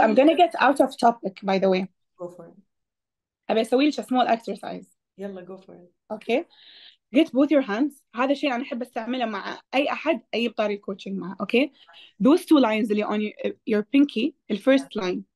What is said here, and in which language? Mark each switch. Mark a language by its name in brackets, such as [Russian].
[English] I'm gonna get out of topic by the way. Go for it. [Arabic] ابي اسوي لك سمول اكسرسايز. [English] يلا go for it. Okay. Get both your hands. [Arabic] هذا الشيء أنا أحب أستعمله مع أي أحد أي بطاري الكوتشنج معه. [English] Okay. Those two lines اللي on your pinky, the first line.